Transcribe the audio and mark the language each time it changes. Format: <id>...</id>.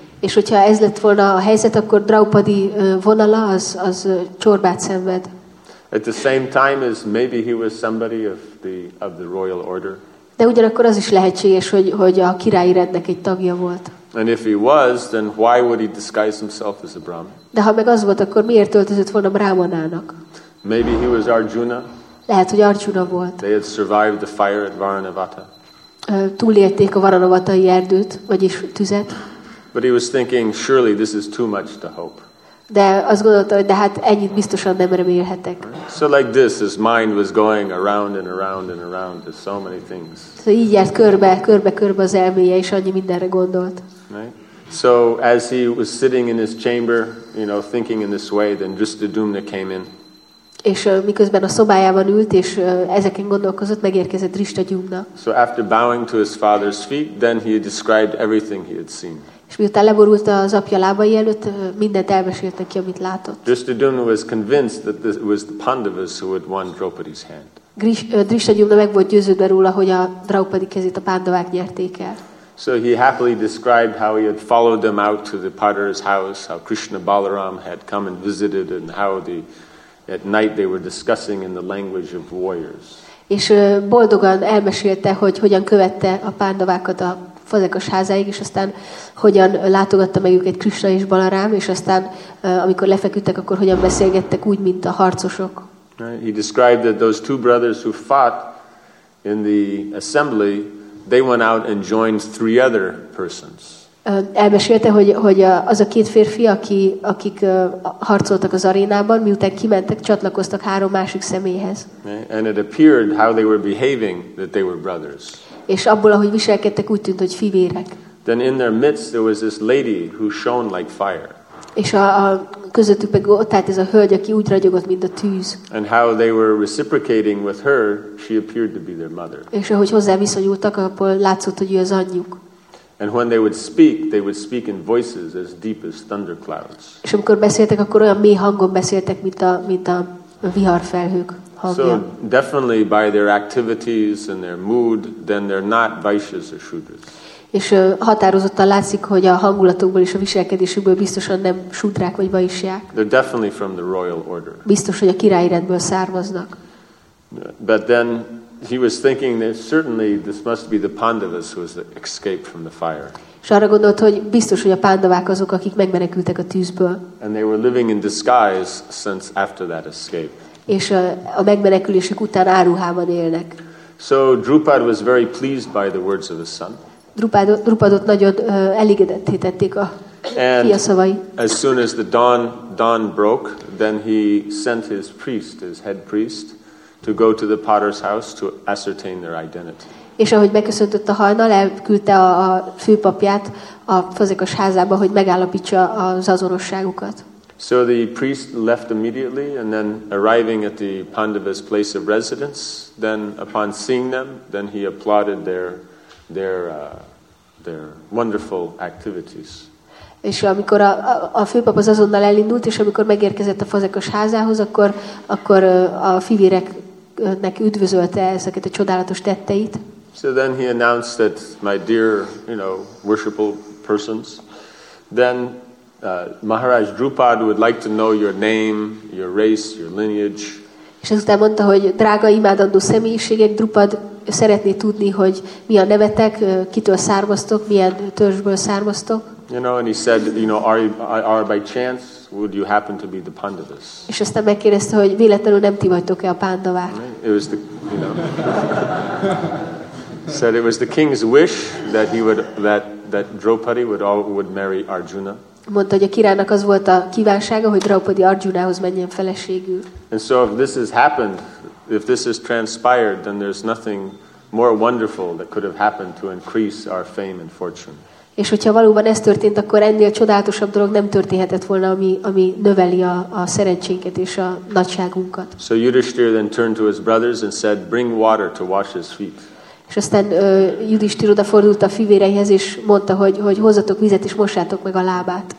<hu>És hogyha ez lett volna a helyzet, akkor Draupadi vonala az csorbát szenved.</hu> <en>At the same time, as maybe he was somebody of the royal order.</en> <hu>De ugyanakkor az is lehetséges, hogy a királyi rendnek egy tagja volt.</hu> <en>And if he was, then why would he disguise himself as a Brahmin?</en> <hu>De ha meg az volt, akkor miért öltözött volna brahmanának?</hu> <en>Maybe he was Arjuna.</en> <hu>Lehet, hogy Arjuna volt.</hu> <en>They had survived the fire at Varanavata.</en> <hu>Túlélték a Varanavatai erdőt, vagyis tüzet.</hu> <en>But he was thinking, surely this is too much to hope.</en> <hu>De azt gondolta, hogy de hát ennyit biztosan nem remélhetek.</hu> <en>So like this, his mind was going around and around and around to so many things.</en> <hu>So így járt körbe az elméje, és annyi mindenre gondolt.</hu> <en>Right? So as he was sitting in his chamber, you know, thinking in this way, then Drishtadyumna came in.</en> <hu>És miközben a szobájában ült és ezeken gondolkozott, megérkezett Drishtadyumna.</hu> <en>So after bowing to his father's feet, then he described everything he had seen.</en> <hu>És miután leborult az apja lábai előtt, mindent elmesélt neki, amit látott.</hu> <en>Drishtadyumna was convinced that this was the Pandavas who had won Draupadi's hand.</en> <hu>Drishtadyumna meg volt győződve róla, hogy a Draupadi kezét a Pandavák nyerték el.</hu> <en>So he happily described how he had followed them out to the potter's house, how Krishna Balaram had come and visited, and how the at night they were discussing in the language of warriors.</en> <hu>És boldogan elmesélte, hogy hogyan követte a Pandavákat a fazekas házáig, és aztán hogyan látogatta meg őket Krishna és Balarám, és aztán amikor lefeküdtek, akkor hogyan beszélgettek úgy, mint a harcosok.</hu> <en>He described that those two brothers who fought in the assembly, they went out and joined three other persons.</en> <hu>Elmesélte, hogy az a két férfi, akik harcoltak az arénában, miután kimentek, csatlakoztak három másik személyhez.</hu> <en>And it appeared how they were behaving that they were brothers.</en> <hu>És abból, ahogy viselkedtek, úgy tűnt, hogy fivérek.</hu> <en>Then in their midst there was this lady who shone like fire.</en> <hu>És a közöttük pedig ott állt ez a hölgy, aki úgy ragyogott, mint a tűz.</hu> <en>And how they were reciprocating with her, she appeared to be their mother.</en> <hu>És ahogy hozzá viszonyultak, abból látszott, hogy ő az anyjuk.</hu> <en>And when they would speak in voices as deep as thunderclouds.</en> <hu>És amikor beszéltek, akkor olyan mély hangon beszéltek, mint a viharfelhők hangja.</hu> <en>So definitely by their activities and their mood, then they're not vaishyas or shudras.</en> <hu>És határozottan látszik, hogy a hangulatokból és a viselkedésükből biztosan nem sudrák vagy vaisják.</hu> <en>They're definitely from the royal order.</en> <hu>Biztos, hogy a királyi rendből származnak.</hu> <en>But then he was thinking that certainly this must be the Pandavas who has escaped from the fire.</en> <hu>És arra gondolt, hogy biztos, hogy a pándavák azok, akik megmenekültek a tűzből.</hu> <en>And they were living in disguise since after that escape.</en> <hu>És a megmenekülésük után áruhában élnek.</hu> <en>So Drupad was very pleased by the words of his son.</en> <hu>Drupadot nagyon elégedetté tették a fia szavai.</hu> <en>As soon as the dawn broke, then he sent his priest, his head priest, to go to the potter's house to ascertain their identity.</en> <hu>És ahogy beköszöntött a hajnal, elküldte a főpapját a fazekas házába, hogy megállapítsa az azonosságukat.</hu> <en>So the priest left immediately, and then arriving at the Pandavas' place of residence, then upon seeing them, then he applauded their wonderful activities.</en> <hu>És amikor a főpap az azonnal elindult, és amikor megérkezett a fazekas házához, akkor a fivéreknek üdvözölte ezeket a csodálatos tetteit.</hu> <en>So then he announced that my dear, you know, worshipful persons, then Maharaj Drupad would like to know your name, your race, your lineage.</en> <hu>És ezután mondta, hogy drága imádandó személyiségek, Drupad szeretné tudni, hogy mi a nevetek, kitől származtok, milyen törzsből származtok.</hu> <en>You know, and he said, you know, are by chance would you happen to be the Pandavas?</en> <hu>És aztán megkérdezte, hogy véletlenül nem ti vagytok-e a pándavák?</hu> <en>It was the, you know, said it was the king's wish that he would that Draupadi would marry Arjuna.</en> <hu>Mondta, hogy a királynak az volt a kívánsága, hogy Draupadi Arjunához menjen feleségül.</hu> <en>And so if this has happened, if this has transpired, then there's nothing more wonderful that could have happened to increase our fame and fortune.</en> <hu>És hogyha valóban ez történt, akkor ennél csodálatosabb dolog nem történhetett volna, ami növeli a szerencsénket és a nagyságunkat.</hu> <en>So Yudhishthira then turned to his brothers and said, bring water to wash his feet.</en> <hu>És aztán Yudhishthira odafordult a fivéreihez, és mondta, hogy hozzatok vizet, és mossátok meg a lábát.</hu>